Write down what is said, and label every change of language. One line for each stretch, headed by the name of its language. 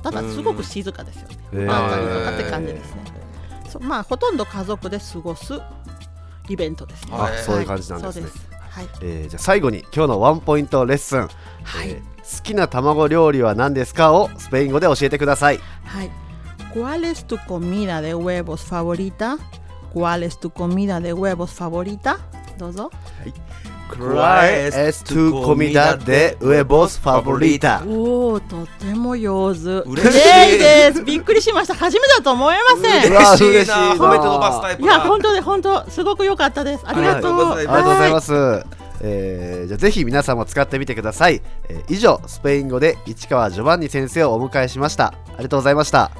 Japanese: ただすごく静かですよ、マントとかって感じですね。そう、まあ、ほとんど家族で過ごすイベントですね。あ、そういう感じなんですね。そうです、はい。じゃあ最後に今日のワンポイントレッスン、はい、好きな卵料理は何ですかをスペイン語で教えてください。はい、
Spanish: ¿Cuál es tu comida de huevos favorita? ¿Cuál es tu comida de huevos favorita?
Japanese: Dozo.
Spanish: ¿Cuál es tu comida de huevos favorita?
Japanese: Oh, とても上手。嬉しい。イエイです。びっくりしました。初めてだと思えません。嬉しいな。褒めて伸ばすタイプだ。いや、本当で本当、すごく良かったです。ありがとう。ありがとうございます。じゃあぜひ皆さんも使ってみてください。以上、スペイン語で市川ジョバンニ先生をお迎えしました。ありがとうございました。